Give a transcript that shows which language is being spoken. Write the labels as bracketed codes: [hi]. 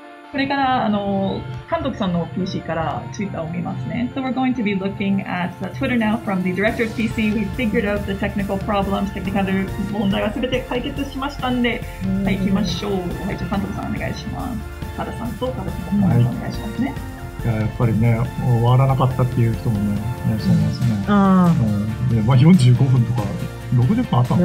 [ja] これから監督さんの PC からツイッターを見ますね。 [en] So we're going to be looking at the Twitter now from the director's PC. We figured out the technical problems. [ja] テクニカル問題はすべて解決しましたんで、はい、行きましょう。はい、じゃあ監督さんお願いします。原さんと原さんお願いしますね。いや、 やっぱりね、終わらなかったっていう人もね、いらっしゃいますね。あ、うん、で、まあ、45分とか60分あったんで、